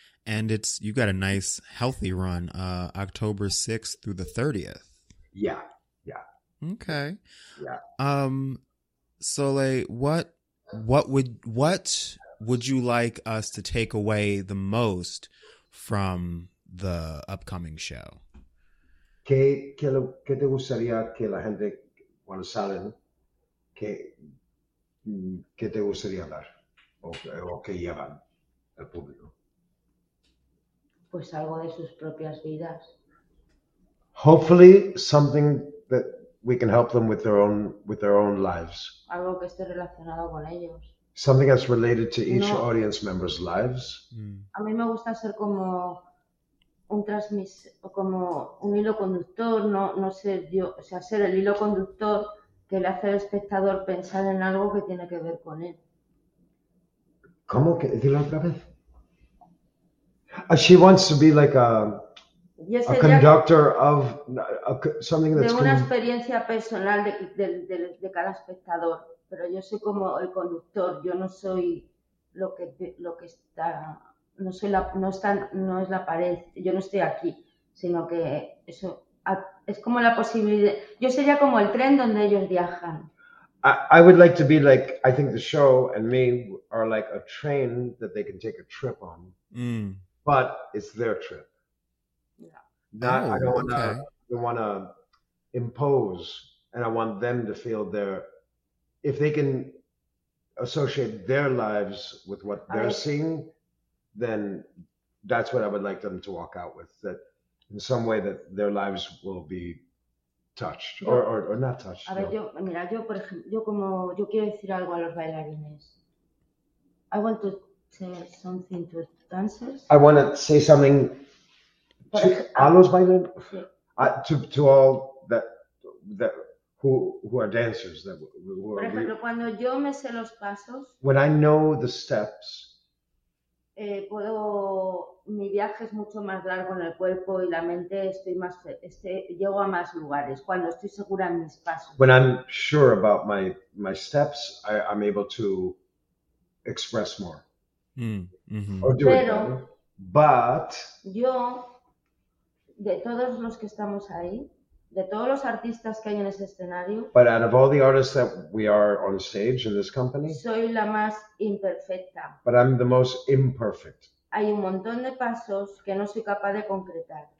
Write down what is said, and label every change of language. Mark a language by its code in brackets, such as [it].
[en] And you've got a nice healthy run, October 6th through the 30th. Yeah. Okay. Yeah. Soleil, what would you like us to take away the most from the upcoming show? [es] ¿Qué te gustaría que la gente cuando salen, qué te gustaría dar o que llevan al público? Pues algo de sus propias vidas. [en] Hopefully something that we can help them with their own lives. [es] Algo que esté relacionado con ellos. [en] Something that's related to each audience member's lives. [es] A mí me gusta ser como un hilo conductor, no ser yo, o sea, ser el hilo conductor que le hace al espectador pensar en algo que tiene que ver con él. ¿Cómo que? Dilo otra vez. [en] She wants to be like a conductor of something that's [es] de una experiencia personal de cada espectador. Pero yo soy como el conductor, yo no soy lo que está, no soy la, no está, no es la pared, yo no estoy aquí, sino que eso es como la posibilidad, yo sería como el tren donde ellos viajan. [en] I would like to be like, I think the show and me are like a train that they can take a trip on, but it's their trip. Yeah. I don't want to impose, and I want them to feel their, if they can associate their lives with what they're seeing, then that's what I would like them to walk out with, that in some way that their lives will be touched or not touched. [es] A ver, yo, por ejemplo, yo quiero decir algo a los bailarines. [en] I want to say something to dancers. I want to say something [es] a los bailarines, [en] to all that who are dancers, that who are, [es] por ejemplo, cuando yo me sé los pasos, [en] when I know the steps, [es] puedo, mi viaje es mucho más largo en el cuerpo y la mente, llego a más lugares cuando estoy segura en mis pasos. [en] When I'm sure about my steps, I'm able to express more. Mm-hmm. Or do [es] pero [en] it but [es] yo, de todos los que estamos ahí, de todos los artistas que hay en ese escenario, [en] but out of all the artists that we are on stage in this company, [es] soy la más imperfecta. [en] But I'm the most imperfect. [es] Hay un montón de pasos que no soy capaz de concretar.